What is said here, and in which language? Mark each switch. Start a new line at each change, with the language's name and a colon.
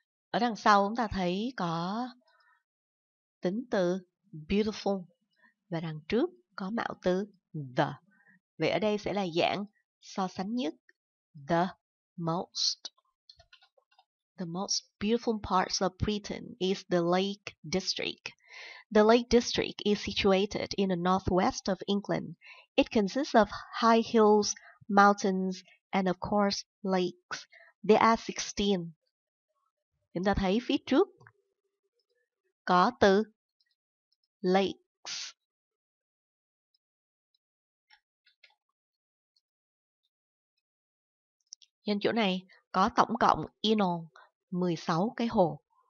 Vietnamese: Ở đằng sau chúng ta thấy có tính từ beautiful và đằng trước có mạo từ the. Vậy ở đây sẽ là dạng so sánh nhất.
English: The most. The most beautiful parts of Britain is the Lake District. The Lake District is situated in the northwest of England. It consists of high hills, mountains, and of course, lakes. There are 16.
Vietnamese: Chúng ta thấy phía trước Có từ lakes. Nhân chỗ này có tổng cộng inon 16 cái hồ.